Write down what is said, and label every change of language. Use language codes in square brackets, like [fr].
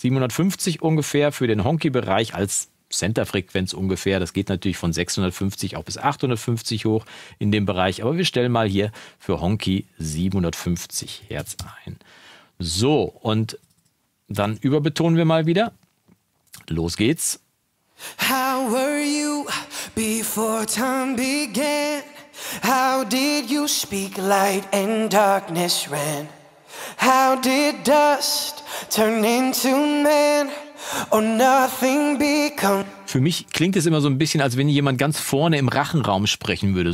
[de] 750 ungefähr für den Honky-Bereich als Center-Frequenz ungefähr. Das geht natürlich von 650 auch bis 850 hoch in dem Bereich. Aber wir stellen mal hier für Honky 750 Hertz ein. So, und dann überbetonen wir mal wieder. Los geht's. [en] How were you before time began? How did you speak light and darkness ran? How did dust turn into man? Oh, nothing become. [de] Für mich klingt es immer so ein bisschen, als wenn jemand ganz vorne im Rachenraum sprechen würde.